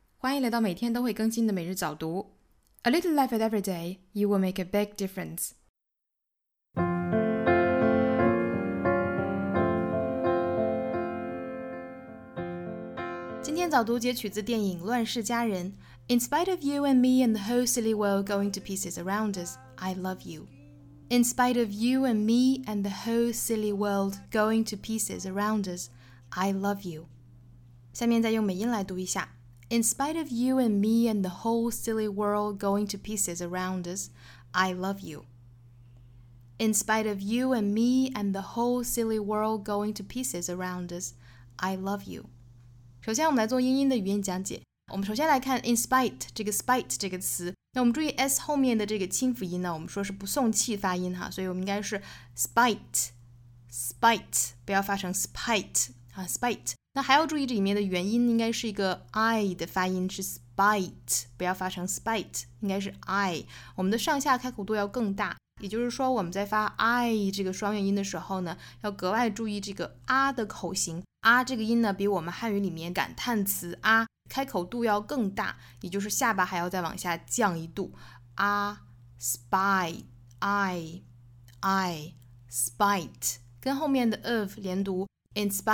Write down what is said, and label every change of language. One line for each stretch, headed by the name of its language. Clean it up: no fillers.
Chinese: 欢迎来到每天都会更新的每日早读。
English: A little life at every day, you will make a big difference. In spite of you and me and the whole silly world going to pieces around us, I love you. In spite of you and me and the whole silly world going to pieces around us, I love you.
Chinese: 下面再用美音来读一下。
English: In spite of you and me and the whole silly world going to pieces around us, I love you. In spite of you and me and the whole silly world going to pieces around us, I love you.
Chinese: 首先我们来做英音的语音讲解。我们首先来看 in spite, 这个 spite 这个词。那我们注意 S 后面的这个清辅音呢，我们说是不送气发音哈，所以我们应该是 spite, 不要发成 spite, 啊 spite。那还要注意这里面的元音应该是一个 I 的发音，是 spite, 不要发成 spite, 应该是 I, 我们的上下开口度要更大，也就是说我们在发 I 这个双元音的时候呢，要格外注意这个 R 的口型， R 这个音呢比我们汉语里面感叹词 R 开口度要更大，也就是下巴还要再往下降一度， R, spite, I, spite, 跟后面的 of 连读， In